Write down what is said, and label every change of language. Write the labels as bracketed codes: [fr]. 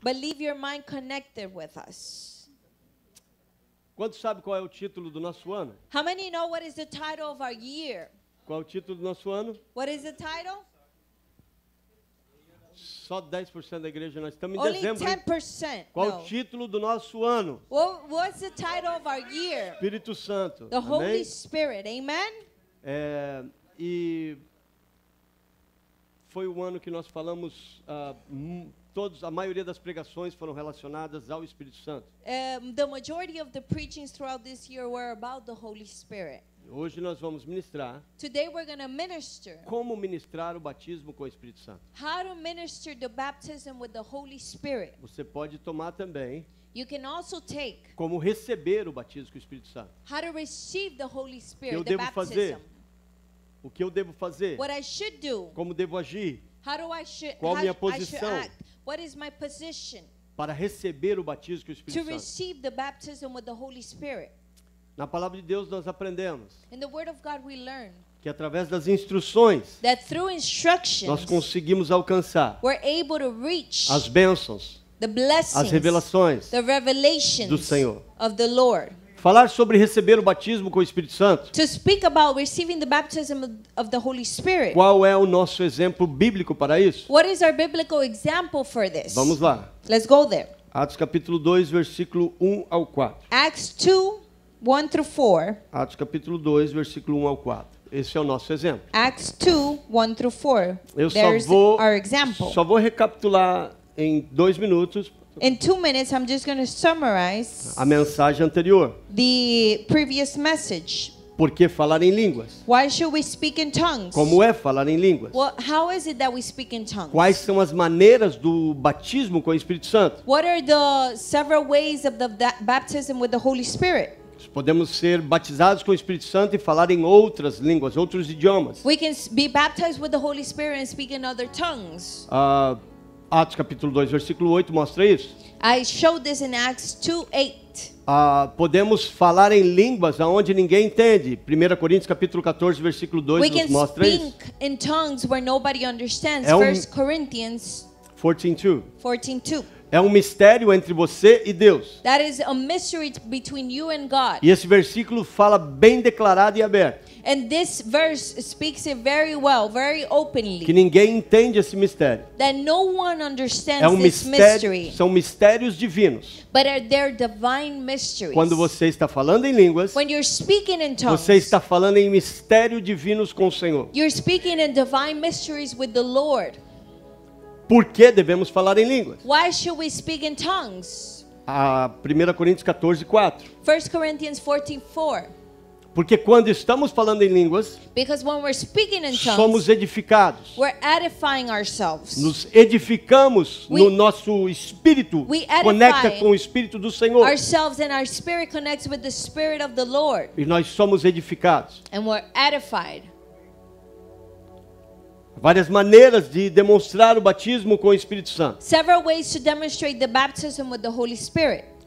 [en] But leave your mind connected with us. [pt] Quantos sabem qual é o título do nosso ano? [en] How many know what is the title of our year? [pt] Qual é o título do nosso ano? [en] What is the title? [pt] Só 10% da igreja, nós estamos em dezembro. [en] Only 10%. [pt] Qual é o título do nosso ano? [en] What's the title of our year? [pt] Espírito Santo. [en] The Holy Spirit. Amen? [pt] É, e foi o ano que nós falamos, todos, a maioria das pregações foram relacionadas ao Espírito Santo. [en] The majority of the preachings throughout this year were about the Holy Spirit. [pt] Hoje nós vamos ministrar. [en] Today we're going to minister. [pt] Como ministrar o batismo com o Espírito Santo? [en] How to minister the baptism with the Holy Spirit? [pt] Você pode tomar também. [en] You can also take. [pt] Como receber o batismo com o Espírito Santo? [en] How to receive the Holy Spirit, the baptism. [pt] Fazer? O que eu devo fazer? [en] What I should do. [pt] Como devo agir? [en] How do I should, [pt] qual minha posição? [en] I should act? What is my position? [pt] Para receber o batismo com o Espírito [en] to [pt] Santo. [en] To receive the baptism with the Holy Spirit. [pt] Na palavra de Deus nós aprendemos. [en] In the word of God we learn. [pt] Que através das instruções. [en] That through instructions. [pt] Nós conseguimos alcançar. [en] We're able to reach. [pt] As bênçãos. [en] The blessings. [pt] As revelações. [en] The revelations. [pt] Do Senhor. [en] Of the Lord. [pt] Falar sobre receber o batismo com o Espírito Santo. [en] To speak about receiving the baptism of the Holy Spirit. [pt] Qual é o nosso exemplo bíblico para isso? [en] What is our biblical example for this? [pt] Vamos lá. [en] Let's go there. [pt] Atos capítulo 2, versículo 1 ao 4. [en] Acts 2 1 through 4. [pt] Atos capítulo 2, versículo 1 ao 4. Esse é o nosso exemplo. [en] Acts 2, 1 through 4. [pt] Eu [en] There's [pt] só vou, [en] our example. [pt] Só vou recapitular em 2 minutos. [en] In 2 minutes, I'm just going to summarize [pt] a mensagem anterior. [en] The previous message. [pt] Por que falar em línguas? [en] Why should we speak in tongues? [pt] Como é falar em línguas? [en] Well, how is it that we speak in tongues? [pt] Quais são as maneiras do batismo com o Espírito Santo? [en] What are the several ways of the baptism with the Holy Spirit? [pt] Podemos ser batizados com o Espírito Santo e falar em outras línguas, outros idiomas. [en] We can be baptized with the Holy Spirit and speak in other tongues. [pt] Atos capítulo 2, versículo 8 mostra isso. [en] I showed this in Acts 2, 8. [pt] Podemos falar em línguas aonde ninguém entende. 1 Coríntios capítulo 14, versículo 2 [en] We [pt] nos mostra isso. [en] We can speak in tongues where nobody understands. 1 Corinthians 14:2. [pt] É um mistério entre você e Deus. [en] That is a mystery between you and God. [pt] E esse versículo fala bem declarado e aberto. [en] And this verse speaks it very well, very openly. [pt] Que ninguém entende esse mistério. [en] That no one understands [pt] é um mistério, [en] this mystery. [pt] São mistérios divinos. [en] But are there divine mysteries? [pt] Quando você está falando em línguas, [en] when you're speaking in tongues, [pt] você está falando em mistérios divinos com o Senhor. [en] You're speaking in divine mysteries with the Lord. [pt] Por que devemos falar em línguas? [en] Why should we speak in tongues? [pt] 1 Coríntios 14, 4. [en] 1 Corinthians 14, 4. [pt] Porque quando estamos falando em línguas, [en] because when we're speaking in tongues, [pt] somos edificados. [en] We're edifying ourselves. [pt] Nos edificamos no nosso espírito. [en] We edify [pt] conecta com o espírito do Senhor. [en] Ourselves and our spirit connects with the spirit of the Lord. [pt] E nós somos edificados. [en] And we're edified. [pt] Várias maneiras de demonstrar o batismo com o Espírito Santo. [en] Several ways to demonstrate the baptism with the Holy Spirit.